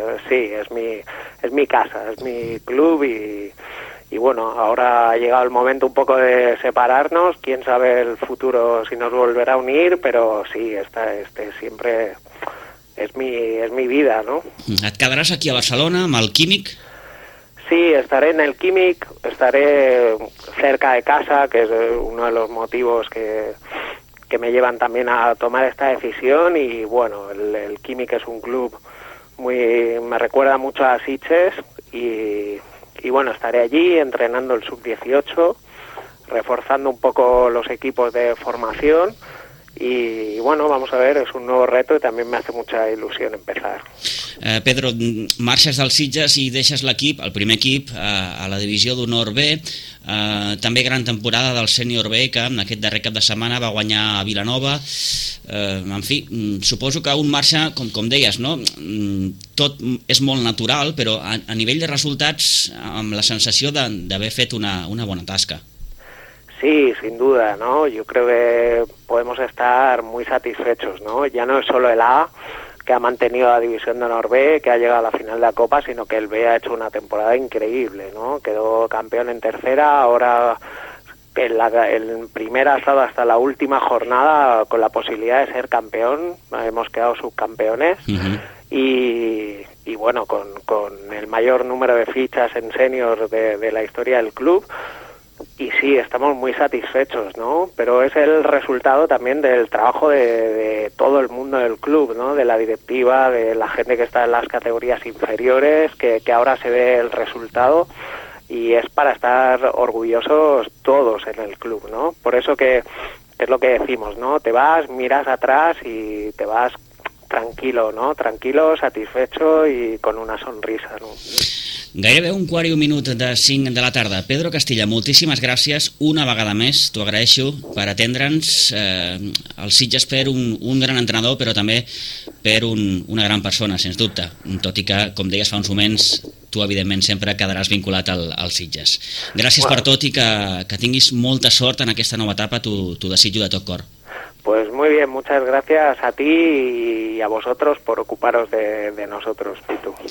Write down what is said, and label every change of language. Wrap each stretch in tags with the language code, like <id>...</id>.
<es>Sí, es mi casa, es mi club, y bueno, ahora ha llegado el momento un poco de separarnos, quién sabe el futuro si nos volverá a unir, pero sí, este siempre es mi vida, ¿no?</es> <ca>¿Et quedaràs aquí a Barcelona amb el Químic?</ca> <es>Sí, estaré en el Químic, estaré cerca de casa, que es uno de los motivos que me llevan también a tomar esta decisión, y bueno, el Químic es un club me recuerda mucho a Sitges, y bueno, estaré allí entrenando el sub-18, reforzando un poco los equipos de formación, y bueno, vamos a ver, es un nuevo reto y también me hace mucha ilusión empezar.</es> <ca>Pedro, marxes del Sitges i deixes l'equip, el primer equip, a la divisió d'honor B. També gran temporada del sènior B, que aquest darrer cap de setmana va guanyar a Vilanova. En fi, suposo que un marxa, com deies, no? Tot és molt natural, però a nivell de resultats, amb la sensació d'haver fet una bona tasca.</ca> <es>Sí, sin duda, ¿no? Yo creo que podemos estar muy satisfechos, ¿no? Ya no es solo el A, que ha mantenido la división de honor B, que ha llegado a la final de la Copa, sino que el B ha hecho una temporada increíble, ¿no? Quedó campeón en tercera, ahora en primera ha estado hasta la última jornada con la posibilidad de ser campeón, hemos quedado subcampeones, uh-huh. Y bueno, con el mayor número de fichas en senior de la historia del club. Y sí, estamos muy satisfechos, ¿no? Pero es el resultado también del trabajo de todo el mundo del club, ¿no? De la directiva, de la gente que está en las categorías inferiores, que ahora se ve el resultado y es para estar orgullosos todos en el club, ¿no? Por eso que es lo que decimos, ¿no? Te vas, miras atrás y te vas tranquilo, ¿no? Tranquilo, satisfecho y con una sonrisa, ¿no?</es> <ca>Gairebé un quart i un minut de 5 de la tarda. Pedro Castilla, moltíssimes gràcies una vegada més, t'ho agraeixo per atendre'ns, el Sitges per un gran entrenador, però també per una gran persona, sens dubte, tot i que, com deies fa uns moments, tu evidentment sempre quedaràs vinculat al Sitges. Gràcies per tot i que tinguis molta sort en aquesta nova etapa, t'ho desitjo de tot cor.</ca> <es>Pues muy bien, muchas gracias a ti y a vosotros por ocuparos de nosotros, Pitu.</es>